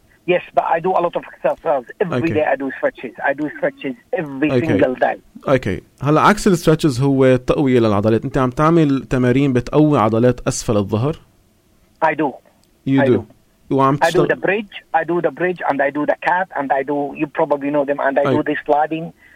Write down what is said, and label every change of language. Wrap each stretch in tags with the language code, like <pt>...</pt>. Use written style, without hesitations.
<en>Yes, but I do a lot of exercise every day. I do stretches. I do stretches every single day. Okay.</en> <ar>هلا عكس الستريتشز هو تقوية للعضلات. أنت عم تعمل تمارين بتقوي عضلات أسفل الظهر.</ar> <en>I do. You do. I do the bridge. I do the bridge and I do the cat and I do. You probably know them and I do the sliding.</en>